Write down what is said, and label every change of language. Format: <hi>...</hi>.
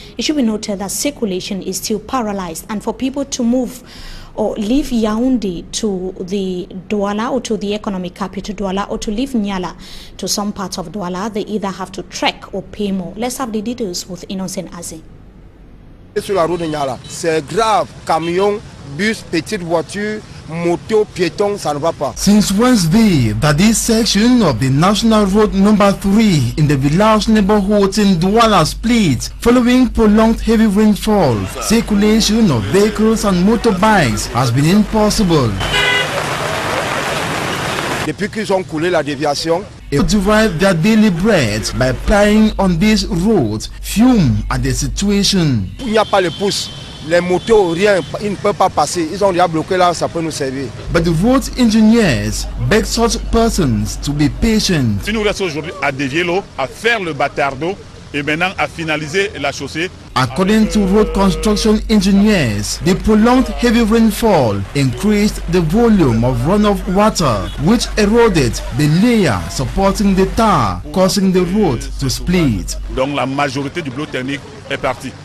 <en>It should be noted that circulation is still paralyzed, and for people to move or leave Yaoundé to the Douala or to the economic capital Douala, or to leave Niala to some parts of Douala, they either have to trek or pay more. Let's have the details with Innocent Aze.</en> <fr>Sur la route de Niala, c'est grave. Camion, bus, petite voiture, moto, piéton, ça ne va pas.</fr> <en>Since Wednesday, that this section of the National Road Number 3 in the village neighborhood in Douala split following prolonged heavy rainfall, circulation of vehicles and motorbikes has been impossible.</en> <fr>Depuis qu'ils ont coulé la déviation,</fr> <en>they derive their daily bread by plying on this road, fume at the situation.</en> <fr>Il n'y a pas le pouce. Les motos, rien, ils ne peuvent pas passer. Ils ont déjà bloqué là, ça peut nous servir.</fr> <en>But the road engineers beg such persons to be patient.</en> <fr>Si nous restons aujourd'hui à dévier l'eau, à faire le bâtardeau, et maintenant à finaliser la chaussée.</fr> <en>According to road construction engineers, the prolonged heavy rainfall increased the volume of runoff water, which eroded the layer supporting the tar, causing the road to split.</en> <fr>Donc la majorité du bloc technique est parti.</fr>